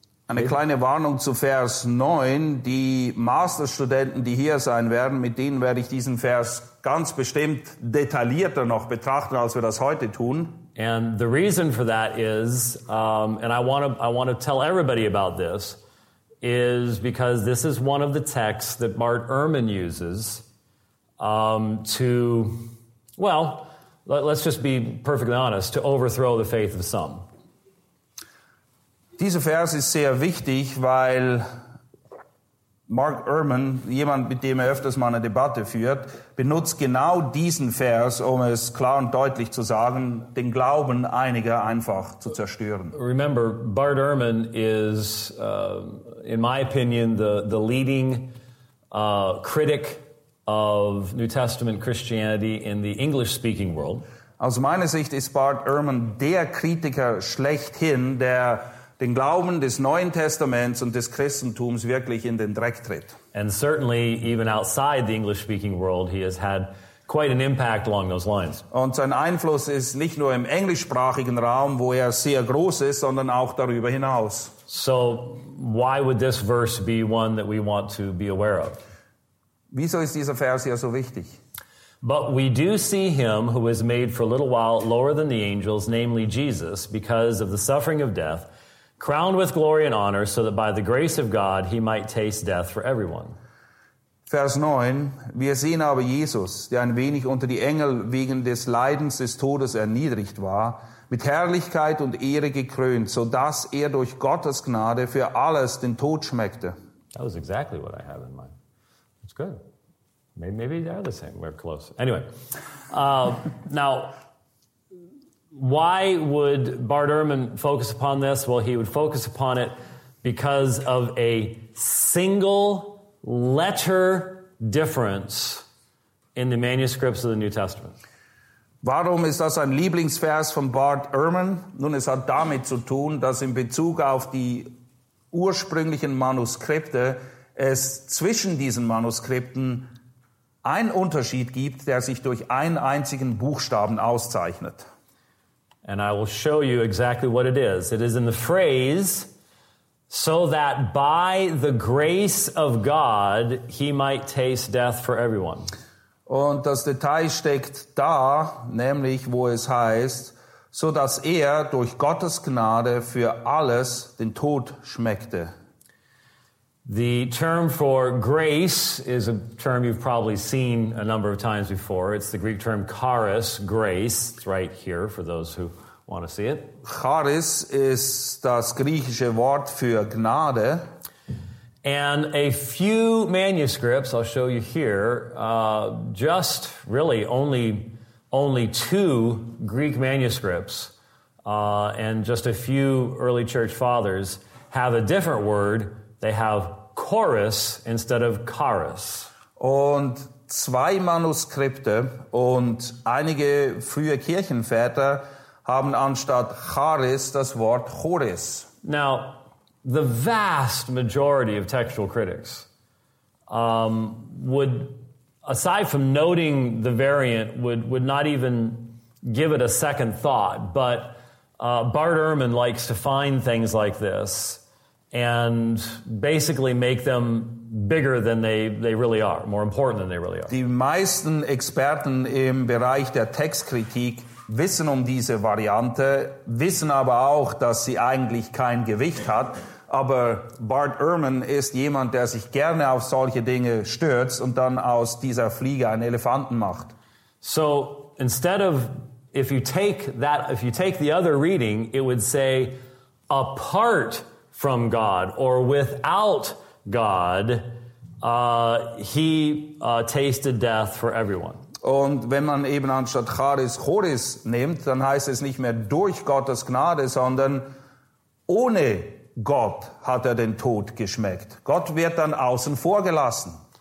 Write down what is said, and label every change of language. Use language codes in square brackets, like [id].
[de] Eine kleine Warnung zu Vers 9. Die Masterstudenten, die hier sein werden, mit denen werde ich diesen Vers ganz bestimmt detaillierter noch betrachten, als wir das heute tun. [en] And the reason for that is, and I want to tell everybody about this, is because this is one of the texts that Bart Ehrman uses let's just be perfectly honest, to overthrow the faith of some. [de] Dieser Vers ist sehr wichtig, weil Mark Ehrman, jemand, mit dem er öfters mal eine Debatte führt, benutzt genau diesen Vers, um es klar und deutlich zu sagen, den Glauben einiger einfach zu zerstören. [en] Remember, Bart Ehrman is, in my opinion, the leading critic of New Testament Christianity in the English-speaking world. [de] Aus meiner Sicht ist Bart Ehrman der Kritiker schlechthin, der den Glauben des Neuen Testaments und des Christentums wirklich in den Dreck tritt. [en] And certainly even outside the English speaking world he has had quite an impact along those lines. [de] Und sein Einfluss ist nicht nur im englischsprachigen Raum, wo er sehr groß ist, sondern auch darüber hinaus. [en] So why would this verse be one that we want to be aware of? [de] Wieso ist dieser Vers hier so wichtig? [en] But we do see him who was made for a little while lower than the angels, namely Jesus, because of the suffering of death, crowned with glory and honor, so that by the grace of God he might taste death for everyone. [de] Vers 9, wir sehen aber Jesus, der ein wenig unter die Engel wegen des Leidens des Todes erniedrigt war, mit Herrlichkeit und Ehre gekrönt, so dass er durch Gottes Gnade für alles den Tod schmeckte. [en] That was exactly what I have in mind. That's good. Maybe they are the same. We're close. Anyway, now, why would Bart Ehrman focus upon this? Well, he would focus upon it because of a single letter difference in the manuscripts of the New Testament. [de] Warum ist das ein Lieblingsvers von Bart Ehrman? Nun, es hat damit zu tun, dass in Bezug auf die ursprünglichen Manuskripte es zwischen diesen Manuskripten ein Unterschied gibt, der sich durch einen einzigen Buchstaben auszeichnet. [en] And I will show you exactly what it is. It is in the phrase, so that by the grace of God, he might taste death for everyone. [de] Und das Detail steckt da, nämlich wo es heißt, so dass er durch Gottes Gnade für alles den Tod schmeckte. [en] The term for grace is a term you've probably seen a number of times before. It's the Greek term charis, grace. It's right here for those who want to see it. [de] Charis ist das griechische Wort für Gnade. [en] And a few manuscripts, I'll show you here, just really only two Greek manuscripts and just a few early church fathers have a different word. They have charis instead of charis. [de] Und zwei Manuskripte und einige frühe Kirchenväter haben anstatt Charis das Wort Choris. [en] Now, the vast majority of textual critics would, aside from noting the variant, would not even give it a second thought. But Bart Ehrman likes to find things like this and basically make them bigger than they really are, more important than they really are. [de] Die meisten Experten im Bereich der Textkritik wissen um diese Variante, wissen aber auch, dass sie eigentlich kein Gewicht hat. Aber Bart Ehrman ist jemand, der sich gerne auf solche Dinge stürzt und dann aus dieser Fliege einen Elefanten macht. [en] So instead of, if you take that, if you take the other reading, it would say apart from God or without God, he tasted death for everyone. [de] Und wenn man eben anstatt Charis Choris nimmt, dann heißt es nicht mehr durch Gottes Gnade, sondern ohne Gott hat den Tod geschmeckt. Gott wird dann außen vor gelassen.